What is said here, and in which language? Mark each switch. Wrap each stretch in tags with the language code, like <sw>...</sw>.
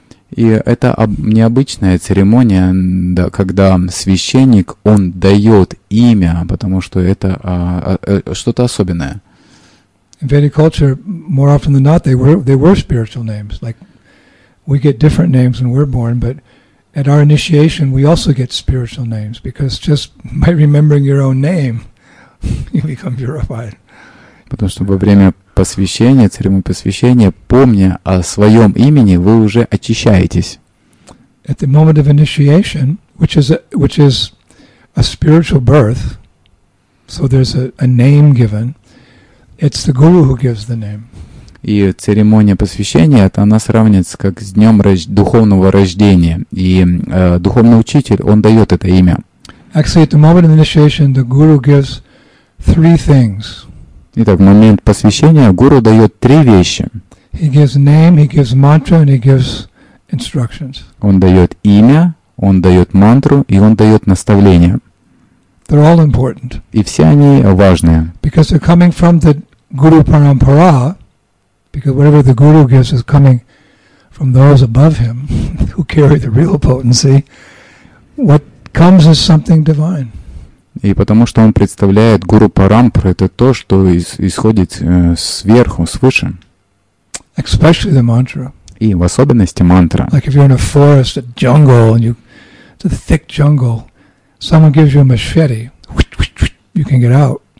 <ru>И это необычная церемония, да, когда священник он дает имя, потому что это что-то особенное.</ru> <en>In Vedic culture, more often than not, they were spiritual names, like. We get different names when we're born, but at our initiation, we also get spiritual names because just by remembering your own name, you become purified.</en> <ru>Потому что во время посвящения, церемонии посвящения, помня о своем имени, вы уже очищаетесь.</ru> <en>At the moment of initiation, which is a spiritual birth, so there's a name given. It's the guru who gives the name.</en> <ru>И церемония посвящения, это она сравнивается как с днем духовного рождения. И духовный учитель, он дает это имя.</ru> <en>Actually, at the moment of initiation, the guru gives three things.</en> <ru>Итак, в момент посвящения гуру дает три вещи.</ru> <en>He gives name, he gives mantra, and he gives instructions.</en> <ru>Он дает имя, он дает мантру, и он дает наставление.</ru> <en>They're all important.</en> <ru>И все они важные.</ru> <en>Because they're coming from the guru parampara. Because whatever the guru gives is coming from those above him who carry the real potency. What comes is something divine.</en> <ru>И потому что он представляет гуру парампру, это то, что исходит сверху, свыше.</ru> <en>Especially the mantra.</en> <ru>И в особенности мантра.</ru> <en>Like if you're in a forest, a jungle, and it's a thick jungle, someone gives you a machete, you can get out.</en>